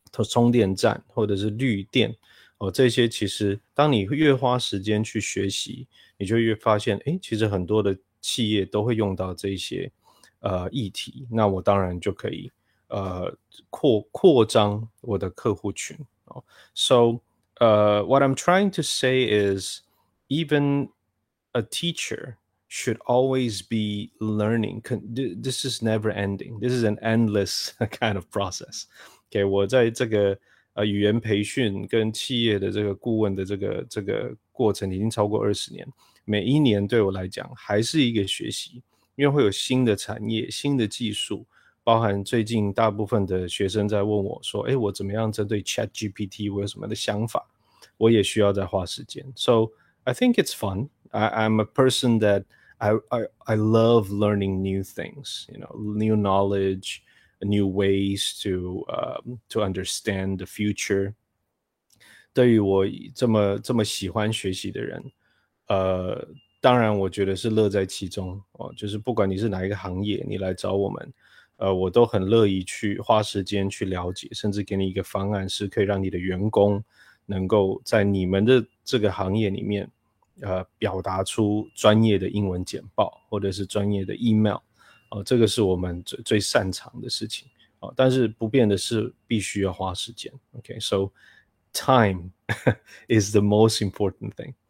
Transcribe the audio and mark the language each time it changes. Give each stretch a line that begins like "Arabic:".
Chinese: 充电站，或者是绿电，这些其实当你越花时间去学习，你就越发现，诶，其实很多的企业都会用到这些议题，那我当然就可以扩张我的客户群。
English: So, what I'm trying to say is, even a teacher should always be learning. This is never ending. This is an endless kind of process.
Chinese: Okay, 我在这个语言培训跟企业的这个顾问的这个过程已经超过20年，每一年对我来讲还是一个学习，因为会有新的产业、新的技术，包含最近大部分的学生在问我说，哎，我怎么样针对 ChatGPT， 我有什么的想法，我也需要再花时间。
English: So I think it's fun. I'm a person that I love learning new things, you know, new knowledge, new ways to understand the future.
Chinese: 对于我这么喜欢学习的人，当然我觉得是乐在其中，就是不管你是哪一个行业，你来找我们，我都很乐意去花时间去了解，甚至给你一个方案是可以让你的员工能够在你们的这个行业里面表达出专业的英文简报或者是专业的 email， 这个是我们 最擅长的事情，但是不变的是必须要花时间。
English: OK, so time is the most important thing.